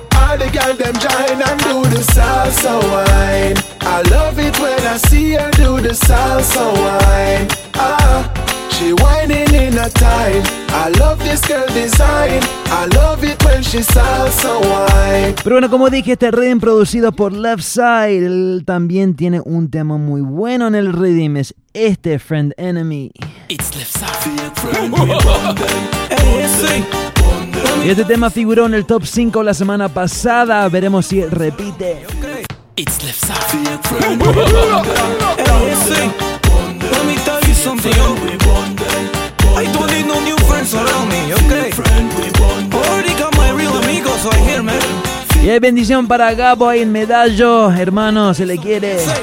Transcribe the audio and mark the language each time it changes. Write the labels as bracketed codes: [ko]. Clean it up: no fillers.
[en] All the girl them join and do the salsa wine. I love it when I see her do the salsa wine. Ah, She whining in a time. I love this girl design. I love it when she sounds so wine. [es] Pero bueno, como dije, este rhythm producido por Leftside también tiene un tema muy bueno en el rhythm. Es este, Friend Enemy. [en] It's Leftside. [es] Y este tema figuró en el top 5 la semana pasada. Veremos si repite. [en] It's left side. Let me tell you something. I don't need no new friends around me, okay? Already got my real amigos right here, man. [es] Y hay bendición para Gabo ahí en Medallo. Hermano, se le quiere.